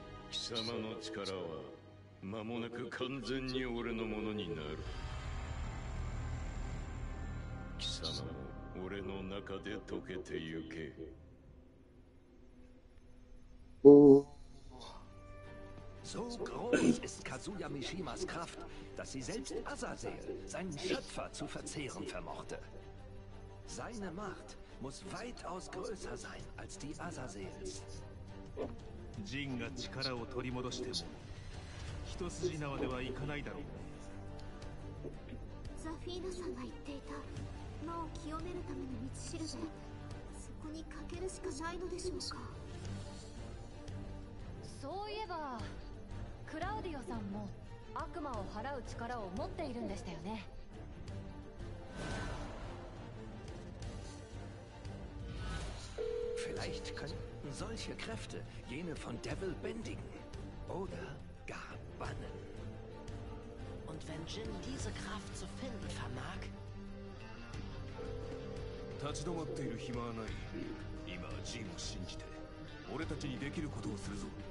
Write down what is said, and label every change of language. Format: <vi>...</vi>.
<ja>貴様の力は間もなく完全に俺のものになる。貴様も俺の中で溶けてゆけ。おお。</ja> <de>So groß ist Kazuya Mishimas Kraft, dass sie selbst Azazel, seinen Schöpfer, zu verzehren vermochte. Seine Macht muss weitaus größer sein als die Azazels.</de> <ja>Jin が力を取り戻しても、一筋縄ではいかないだろう。ザフィーナさんが言っていた、魔を清めるための道しるべ、そこにかけるしかないのでしょうか。そういえば、クラウディオさんも悪魔を払う力を持っているんでしたよね。</ja> <de>Vielleicht könnten solche Kräfte jene von Devil bändigen oder gar bannen. Und wenn Jin diese Kraft zu finden vermag?</de> <ja>立ち止まっている暇はない。今はジンを信じて、俺たちにできることをするぞ。</ja>